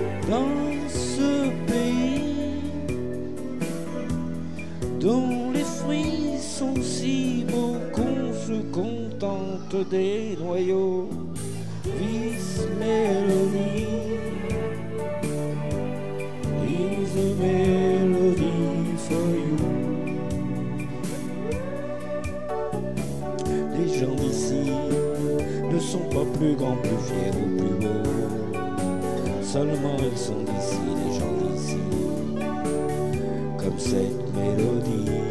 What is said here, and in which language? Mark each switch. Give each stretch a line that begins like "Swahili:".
French: Dans ce pays dont les fruits sont si beaux qu'on se contente des noyaux.
English: This melody is a melody for you.
French: Les gens d'ici ne sont pas plus grands, plus fiers ou plus beaux. Seulement ils sont d'ici, les gens d'ici, comme cette mélodie.